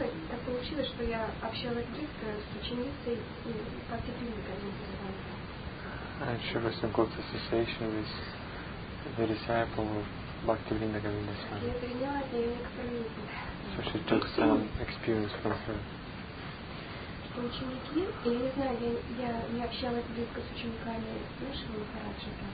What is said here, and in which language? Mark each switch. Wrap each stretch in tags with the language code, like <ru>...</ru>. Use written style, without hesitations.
<ru>Так получилось, что я общалась близко с ученицей и постепенно к ним приближалась.</ru> <en>And she was in close association with the disciple of Bhaktivinoda Govinda Swami.</en> <ru>Я приняла от нее некоторые.</ru> <en>So she took some experience from her.</en> <ru>Что ученики, я не знаю, я не общалась близко с учениками нашего Махараджи.</ru>